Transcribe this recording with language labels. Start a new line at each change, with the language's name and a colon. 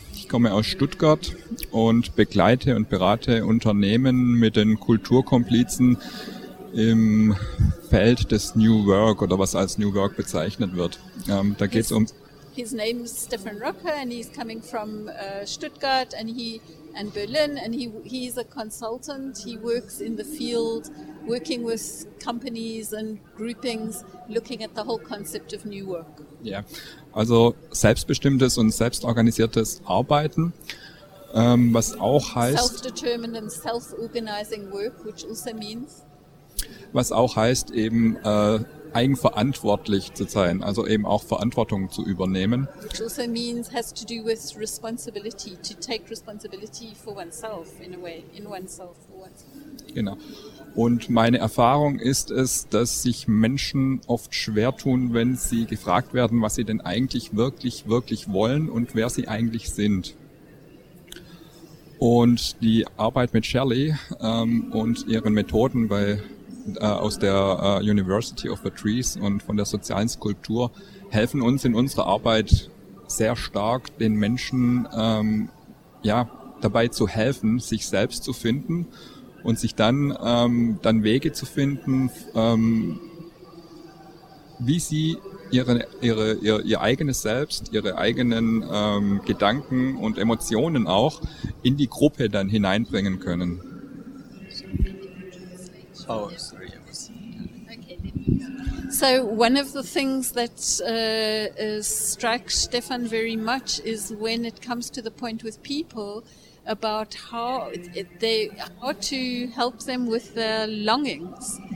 German: Ich komme aus Stuttgart und begleite und berate Unternehmen mit den Kulturkomplizen im Feld des New Work oder was als New Work bezeichnet wird. Da geht es um...
English: His name is Stefan Röcker, and he's coming from Stuttgart and Berlin, and he's a consultant. He works in the field, working with companies and groupings, looking at the whole concept of new work.
German: Yeah, also selbstbestimmtes und selbstorganisiertes Arbeiten, was auch heißt...
English: Self-determined and self-organizing work, which also means...
German: Was auch heißt eben... eigenverantwortlich zu sein, also eben auch Verantwortung zu übernehmen.
English: Which also means has to do with responsibility, to take responsibility for oneself in a way, in oneself, for oneself.
German: Genau. Und meine Erfahrung ist es, dass sich Menschen oft schwer tun, wenn sie gefragt werden, was sie denn eigentlich wirklich, wirklich wollen und wer sie eigentlich sind. Und die Arbeit mit Shelley und ihren Methoden bei aus der University of the Trees und von der sozialen Skulptur helfen uns in unserer Arbeit sehr stark, den Menschen dabei zu helfen, sich selbst zu finden und sich dann Wege zu finden, wie sie ihr eigenes Selbst, ihre eigenen Gedanken und Emotionen auch in die Gruppe dann hineinbringen können.
English: So one of the things that strikes Stefan very much is when it comes to the point with people about how to help them with their longings.